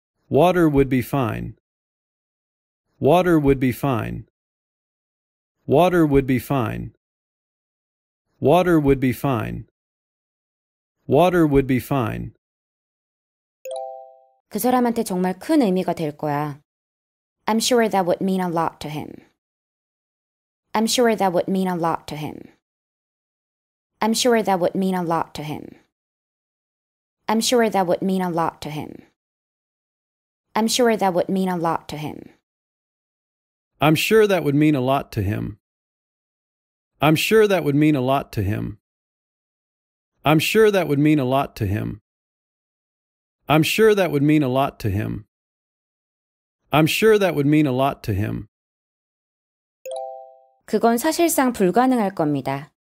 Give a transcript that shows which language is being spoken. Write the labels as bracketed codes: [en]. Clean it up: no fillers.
[en] Water would be fine. Water would be fine. Water would be fine. Water would be fine. Water would be fine. [ko] 그 사람한테 정말 큰 의미가 될 거야. [en] I'm sure that would mean a lot to him. I'm sure that would mean a lot to him. I'm sure that would mean a lot to him. I'm sure that would mean a lot to him. I'm sure that would mean a lot to him. I'm sure that would mean a lot to him. I'm sure that would mean a lot to him. I'm sure that would mean a lot to him. I'm sure that would mean a lot to him. I'm sure that would mean a lot to him. [ko] 그건 사실상 불가능할 겁니다.